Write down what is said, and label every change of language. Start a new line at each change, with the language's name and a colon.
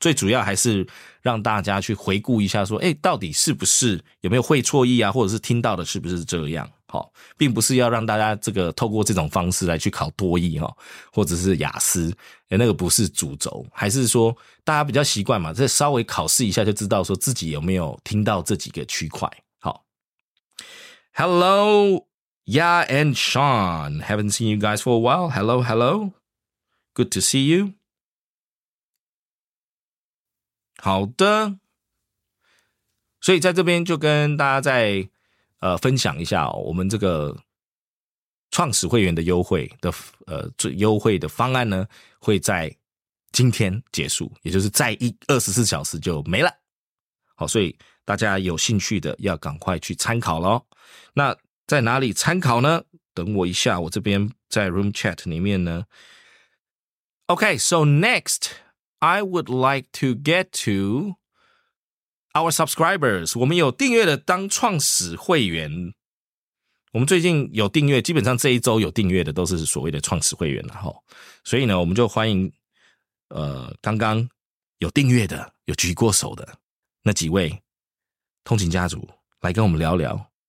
Chinese: 最主要还是让大家去回顾一下说，诶，到底是不是有没有会错意啊，或者是听到的是不是这样，齁、哦。并不是要让大家这个透过这种方式来去考多益齁、哦、或者是雅思，那个不是主轴，还是说大家比较习惯嘛，再稍微考试一下就知道说自己有没有听到这几个区块，齁、哦。
English: Hello! Yeah, and Sean, haven't seen you guys for a while. Hello, hello. Good to see you.
Chinese: 好的。所以在这边就跟大家再分享一下、哦、我们这个创始会员的优惠的优惠的方案呢，会在今天结束，也就是在24小时就没了。好，所以大家有兴趣的要赶快去参考咯。那在哪里参考呢？等我一下，我这边在 room chat 里面呢。
English: Okay, so next, I would like to get to our subscribers.
Chinese: 我们有订阅的当创始会员。我们最近有订阅，基本上这一周有订阅的都是所谓的创始会员了。所以呢，我们就欢迎刚刚有订阅的，有举过手的那几位通勤家族来跟我们聊聊。